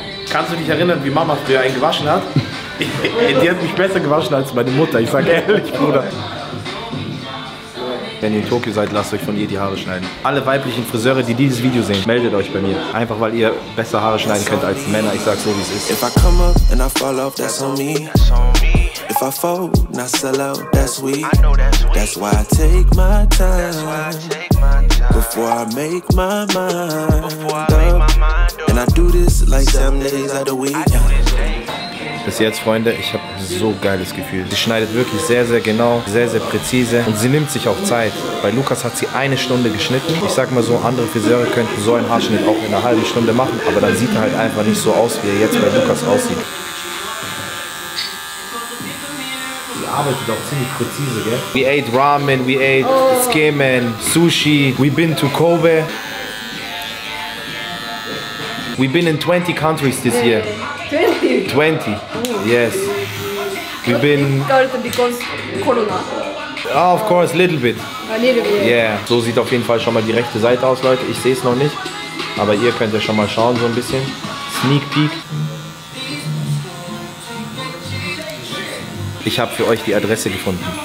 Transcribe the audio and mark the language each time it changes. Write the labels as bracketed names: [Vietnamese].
[German] Kannst du dich erinnern, wie Mama früher einen gewaschen hat? Die hat mich besser gewaschen als meine Mutter, ich sag ehrlich, Bruder. Wenn ihr in Tokio seid, lasst euch von ihr die Haare schneiden. Alle weiblichen Friseure, die dieses Video sehen, meldet euch bei mir. Einfach, weil ihr besser Haare schneiden könnt als Männer. Ich sag so, wie es ist. [English] If I come up and I fall off, that's on me. If I fall and I sell out, that's weak. That's why I take my time. Before I make my mind up. And I do this like 7 days of the week. [German] Bis jetzt, Freunde, ich habe so geiles Gefühl. Sie schneidet wirklich sehr, sehr genau, sehr, sehr präzise. Und sie nimmt sich auch Zeit. Bei Lukas hat sie eine Stunde geschnitten. Ich sag mal so, andere Friseure könnten so einen Haarschnitt auch in einer halben Stunde machen. Aber dann sieht er halt einfach nicht so aus, wie er jetzt bei Lukas aussieht. Sie arbeitet auch ziemlich präzise, gell? [English] We ate ramen, we ate tsukemen, sushi, we been to Kobe. We been in 20 countries this year. 20. Yes. We've been... Because Corona. Oh, of course, a little bit. A little bit. Yeah. [German] So sieht auf jeden Fall schon mal die rechte Seite aus, Leute. Ich sehe es noch nicht. Aber ihr könnt ja schon mal schauen, so ein bisschen. [English] Sneak peek. [German] Ich habe für euch die Adresse gefunden.